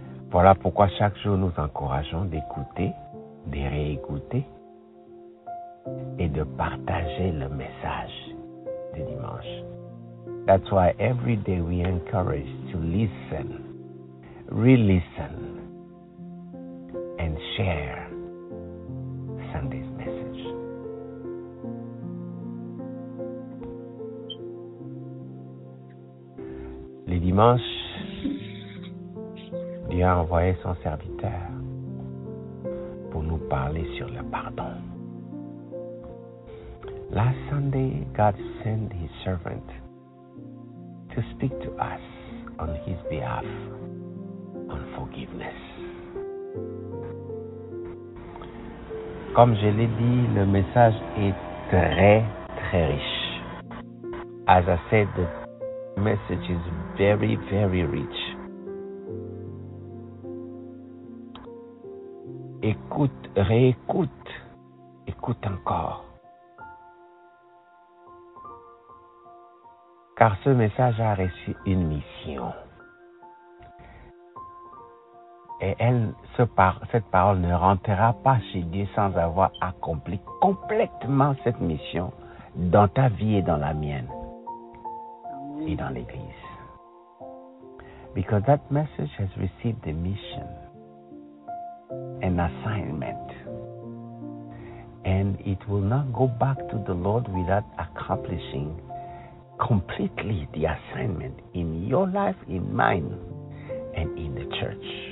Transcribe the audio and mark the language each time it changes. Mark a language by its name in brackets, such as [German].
[French] Voilà pourquoi chaque jour nous encourageons d'écouter, de réécouter. écouter et de partager le message du dimanche. [English] That's why every day we encourage to listen, re-listen, and share Sunday's message. [French] Le dimanche, Dieu a envoyé son serviteur pour nous parler sur le pardon. [English] Last Sunday, God sent his servant to speak to us on his behalf on forgiveness. [French] Comme je l'ai dit, le message est très, très riche. [English] As I said, the message is very, very rich. [French] Écoute, réécoute, écoute encore. Car ce message a reçu une mission. Et elle, cette parole ne rentrera pas chez Dieu sans avoir accompli complètement cette mission dans ta vie et dans la mienne. Et dans l'Église. [English] Because that message has received a mission, an assignment. And it will not go back to the Lord without accomplishing completely the assignment in your life, in mine, and in the church.